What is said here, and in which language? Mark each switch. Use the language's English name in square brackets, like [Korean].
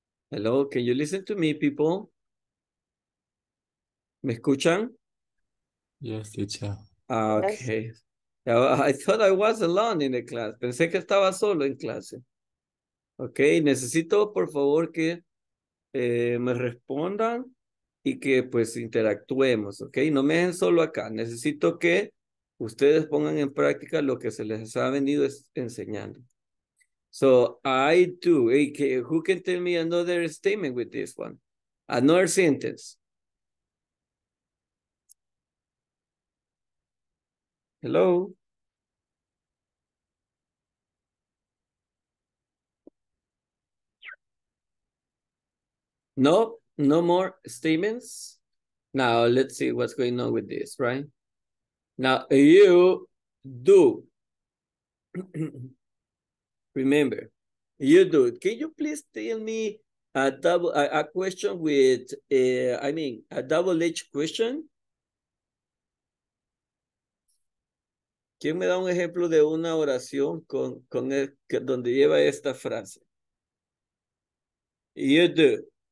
[English] Hello, can you listen to me, people? [Spanish] ¿Me escuchan? [English] Yes, teacher. Okay. Yes. I thought I was alone in the class. [Spanish] Pensé que estaba solo en clase. Okay, necesito, por favor, que me respondan y que, pues, interactuemos, okay? No me dejen solo acá. Necesito que ustedes pongan en práctica lo que se les ha venido enseñando. [English] So, I do. Hey, who can tell me another statement with this one? Another sentence. Hello? No, no more statements. Now, let's see what's going on with this, right? Now, you do. Remember, you do. Can you please tell me a double-edged question? [Spanish] ¿Quién me da un ejemplo de una oración donde lleva esta frase? [English] You do.